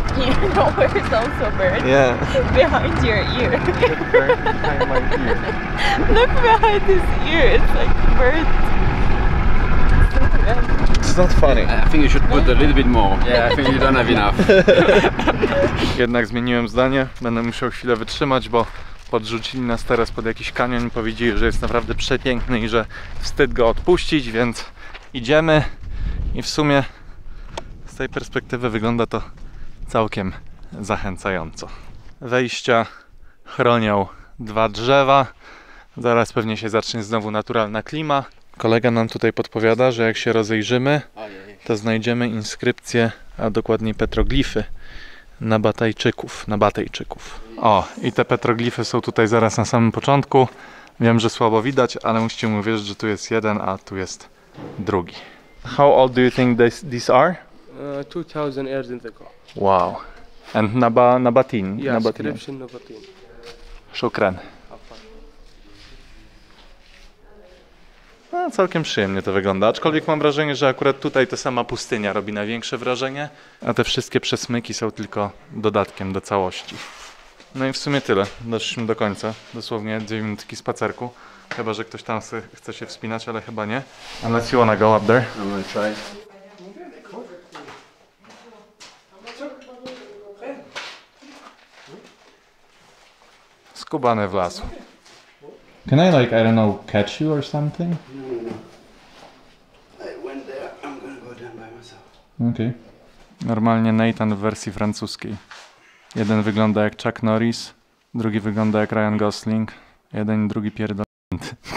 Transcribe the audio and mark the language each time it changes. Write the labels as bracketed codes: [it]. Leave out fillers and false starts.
[en] Your nose is also burned. Yeah. Behind your ear. Behind my ear. Look behind his ear. It's like burnt. It's not funny. I think you should put a little bit more. Yeah, I think you don't have enough. [pl] Jednak zmieniłem zdanie. Będę musiał chwilę wytrzymać, bo podrzucili nas teraz pod jakiś kanion i powiedzieli, że jest naprawdę przepiękny i że wstyd go odpuścić, więc idziemy. I w sumie z tej perspektywy wygląda to całkiem zachęcająco. Wejścia chronią dwa drzewa. Zaraz pewnie się zacznie znowu naturalna klima. Kolega nam tutaj podpowiada, że jak się rozejrzymy, to znajdziemy inskrypcję, a dokładniej petroglify na Batajczyków. O, i te petroglify są tutaj zaraz na samym początku. Wiem, że słabo widać, ale musicie mi uwierzyć, że tu jest jeden, a tu jest drugi. [en] How old do you think these are? 2000 years in the car. Wow. And Nabatin? Yes, inscription Nabatin. [ar] Szukran. [pl] No, całkiem przyjemnie to wygląda, aczkolwiek mam wrażenie, że akurat tutaj ta sama pustynia robi największe wrażenie, a te wszystkie przesmyki są tylko dodatkiem do całości. No i w sumie tyle, doszliśmy do końca, dosłownie 2 minutki spacerku, chyba że ktoś tam chce się wspinać, ale chyba nie. [en] Unless you wanna go up there. I'm gonna try. [pl] Skubany w lasu. [en] Can I like, I don't know, catch you or something? No. I went there, I'm gonna go down by myself. Okay. [pl] Normalnie Nathan w wersji francuskiej. Jeden wygląda jak Chuck Norris, drugi wygląda jak Ryan Gosling, jeden i drugi pierdolnięty.